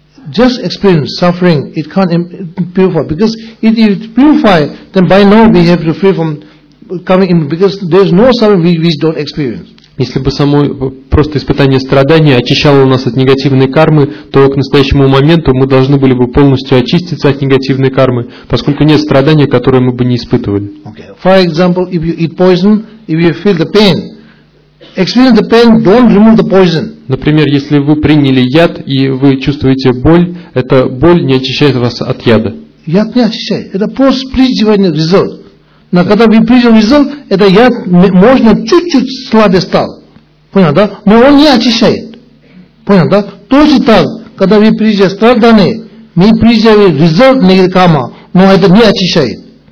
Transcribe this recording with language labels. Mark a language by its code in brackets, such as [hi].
[en] Just experience suffering, it can't purify, because if it purify, then by now we have to free from coming in, because there's no suffering we don't experience. [ru] Если бы само просто испытание страдания очищало нас от негативной кармы, то к настоящему моменту мы должны были бы полностью очиститься от негативной кармы, поскольку нет страдания, которое мы бы не испытывали. [en] Okay. For example, if you eat poison, if you feel the pain, experience the pain, don't remove the poison. [ru] Например, если вы приняли яд и вы чувствуете боль, эта боль не очищает вас от яда. Яд не очищает. Это просто преждевременный результат. Но когда вы принял результат, это яд можно чуть-чуть слабее стал. Понял, да? Но он не очищает. Понял, да? Точно так, когда вы принял страдания, мы принял результат негативной кармы, но это не очищает.